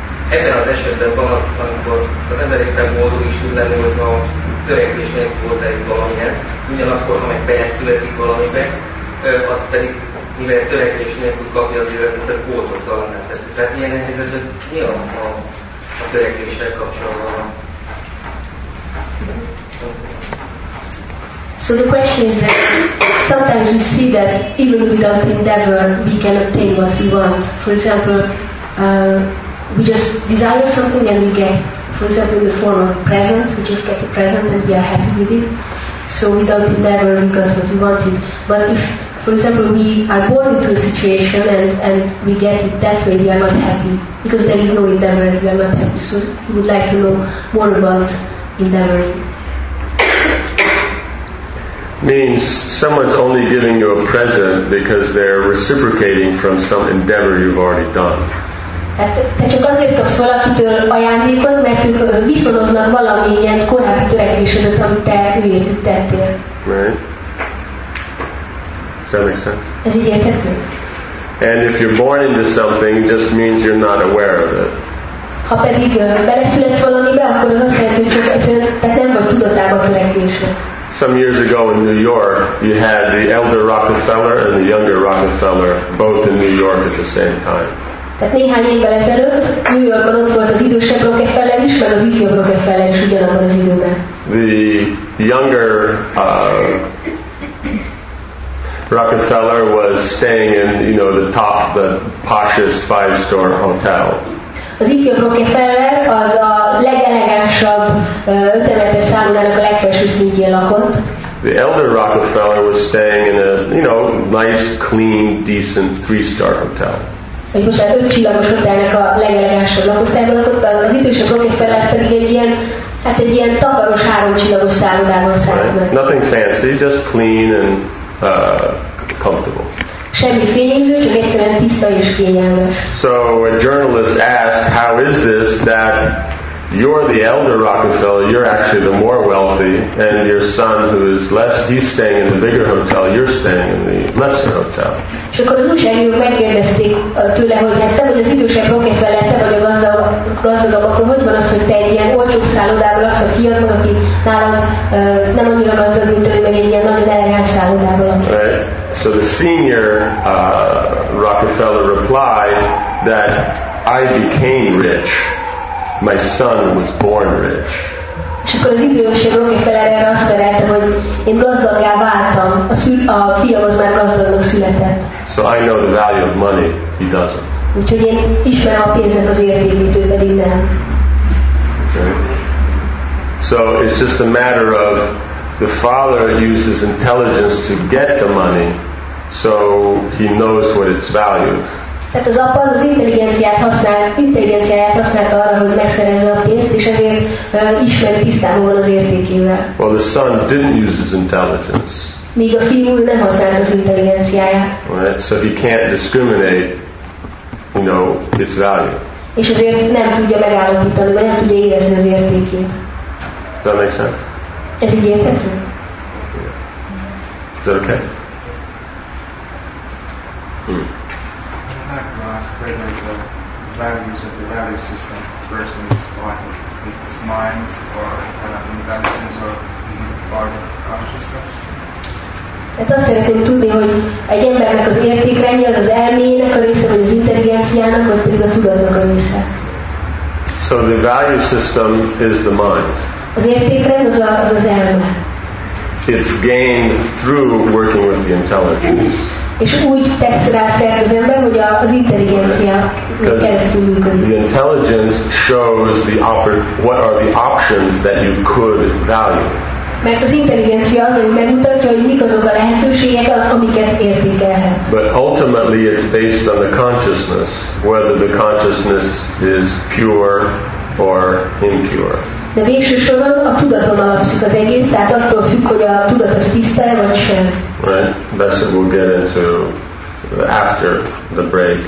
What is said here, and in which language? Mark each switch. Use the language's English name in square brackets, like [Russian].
[Hungarian] ebben az esetben van az, amikor az ember éppen boldog is tud lenni, hogy a törekvésnek hozzájuk valamihez, ugyanakkor, ha meg bele születik valamibe, az pedig, mivel törekvés nélkül kapja az életet, a boldogtalanná teszi. Tehát ilyen helyzetben mi a törekvéssel kapcsolatban? [English] So the question is that sometimes we see that even without endeavor we can obtain what we want. For example, we just desire something and we get, for example, in the form of a present, we just get the present and we are happy with it. So without endeavor we got what we wanted. But if, for example, we are born into a situation and we get it that way, we are not happy. Because there is no endeavor and we are not happy. So we would like to know more about endeavoring. Means someone's only giving you a present because they're reciprocating from some endeavor you've already done. [Hungarian] Tehát csak azért kapsz valakitől ajándékot, mert ők viszonoznak valami ilyen korábbi törekvésedet, amit te tettél. [English] Right. Does that make sense? [Hungarian] Ez így érthető. [English] And if you're born into something, it just means you're not aware of it. [Hungarian] Ha pedig beleszületsz valamibe, akkor az azt jelenti, hogy csak egyszerűen nem vagy tudatában törekvésed. [English] Some years ago in New York, you had the elder Rockefeller and the younger Rockefeller both in New York at the same time. [Hungarian] Tehát néhány évvel ezelőtt New Yorkban ott volt az idősebb Rockefeller is, meg az ifjabb Rockefeller is ugyanabban az időben. [English] The younger Rockefeller was staying in, you know, the top, the poshest five-star hotel. [Hungarian] Az ifjabb Rockefeller az a legelegánsabb ötemetes szállodának a legfelső szintjén lakott. [English] The elder Rockefeller was staying in a, you know, nice, clean, decent three-star hotel. [Hungarian] Egy most már ötcsillagos hotelnek a legelegánsabb lakosztályban lakott, az idősebb Rockefeller pedig egy ilyen, hát egy ilyen takaros háromcsillagos szállodában szállt meg. [English] Right. Nothing fancy, just clean and comfortable. [Hungarian] Semmi fényező, csak egyszerűen tiszta és kényelmes. [English] So a journalist asked, how is this that you're the elder Rockefeller, you're actually the more wealthy, and your son who is less, he's staying in the bigger hotel, you're staying in the lesser hotel. [Hungarian] És akkor az újságíró megkérdezték tőle, hogy hát te vagy az idősebb Rockefeller, te vagy a gazdagabb, akkor hogy van az, hogy te egy ilyen olcsóbb szállodából az a fiat van, aki nálam nem annyira gazdag, mint ő, meg egy ilyen nagyon elegáns szállodából. [English] So the senior Rockefeller replied that I became rich. My son was born rich. [Hungarian] És akkor az idősebb Rockefeller erre azt felelte, hogy én gazdaggá váltam, a fiam az már gazdagnak született. [English] So I know the value of money, he doesn't. [Hungarian] Úgyhogy én ismerem a pénznek az értékét, ő pedig nem. [English] So it's just a matter of the father uses intelligence to get the money, so he knows what its value. [Hungarian] Tehát az apa az intelligenciáját használta arra, hogy megszerezze a pénzt, és ezért ismeri tisztában van az értékével. [English] Well, the son didn't use his intelligence. [Hungarian] Míg a fiú nem használta az intelligenciáját. [English] Right? So he can't discriminate, you know, its value. [Hungarian] És ezért nem tudja megállapítani, vagy nem tudja érezni az értékét. [English] Does that make sense? [Hungarian] Ez így érthető? [English] Yeah. Is that okay? Like to ask whether the values of the value system, for instance, like its mind or kind of inventions, or is it part of consciousness? [Hungarian] Hát azt szeretném tudni, hogy egy embernek az értékrendje az elmének a része, vagy az intelligenciának, vagy pedig a tudatnak a része. [English] So the value system is the mind. [Hungarian] Az értékrend az elme. [English] It's gained through working with the intelligence. [Hungarian] És úgy tesz rá szert az ember, hogy az intelligencia keresztül működik. [English] The intelligence shows the what are the options that you could value. [Hungarian] Mert az intelligencia az, ami megmutatja, hogy mik azok a lehetőségek, amiket értékelhetsz. [English] But ultimately it's based on the consciousness, whether the consciousness is pure or impure. [Hungarian] De végső soron a tudaton alapszik az egész, tehát attól függ, hogy a tudat az tisztel, vagy sem. [English] Right, that's what we'll get into after the break.